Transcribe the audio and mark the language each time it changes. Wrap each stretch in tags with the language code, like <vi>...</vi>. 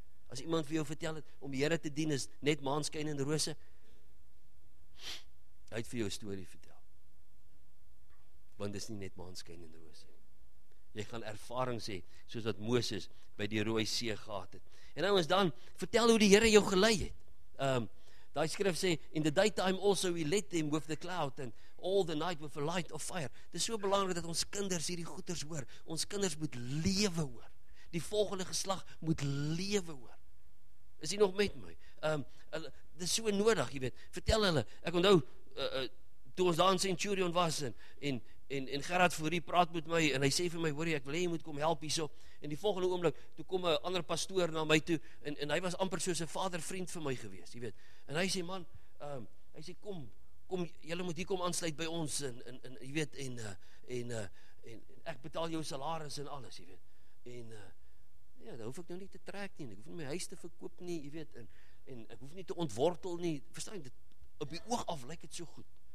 <af>As iemand vir jou vertel het, om die Here te dien is net maanskyn en rose, hy het vir jou 'n storie vertel. Want dit is nie net maanskyn en rose. Jy gaan ervarings hê, soos wat Moses by die rooi see gehad het. En nou is dan, vertel hoe die Here jou gelei het. Daai skrif sê,</af> <en>in the daytime also we led them with the cloud and all the night with a light of fire.</en> <af>Dit is so belangrik dat ons kinders hierdie goeters hoor. Ons kinders moet lewe hoor. Die volgende geslag moet lewe hoor. Is jy nog met my? Dit is so nodig, jy weet. Vertel hulle, ek onthou, toe ons daar in Centurion was, en Gerard Fourie praat met my, en hy sê vir my, hoor jy, ek wil jy moet kom help hierso, en die volgende oomblik, toe kom een ander pastoor na my toe, en hy was amper soos een vadervriend vir my gewees, jy weet, en hy sê, man, hy sê, kom, jylle moet hier kom aansluit by ons, en jy weet, en ek betaal jou salaris en alles, jy weet, en daar hoef ek nou nie te trek nie, ek hoef nie my huis te verkoop nie, jy weet, en ek hoef nie te ontwortel nie, verstaan, dit, op die oog af lyk het so goed,</af>